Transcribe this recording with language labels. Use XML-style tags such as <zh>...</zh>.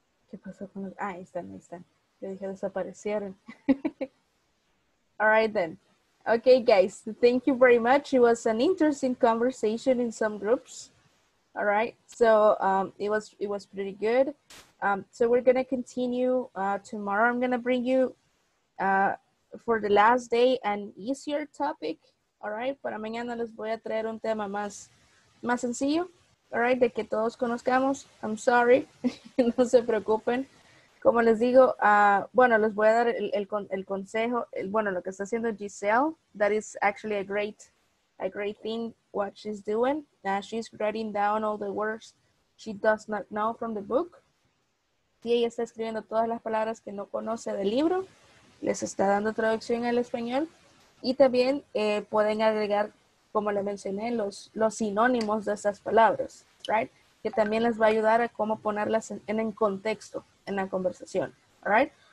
<es>¿Qué pasó con los? Ah, ahí están. Yo dije, desaparecieron.</es> <en>All right, then. Okay, guys. Thank you very much. It was an interesting conversation in some groups. All right. So it was pretty good. So we're going to continue tomorrow. I'm going to bring you for the last day an easier topic. All right.</en> <es>Para mañana les voy a traer un tema más sencillo.</es> <en>All right,</en> <es>de que todos conozcamos.</es> <en>I'm sorry,</en> <es>no se preocupen. Como les digo, bueno, les voy a dar el consejo. Bueno, lo que está haciendo Giselle,</es> <en>that is actually a great thing what she's doing. She's writing down all the words she does not know from the book.</en> <es>Y ella está escribiendo todas las palabras que no conoce del libro. Les está dando traducción al español. Y también pueden agregar, como le mencioné, los sinónimos de esas palabras, right? Que también les va a ayudar a cómo ponerlas en el contexto, en la conversación, right?</es>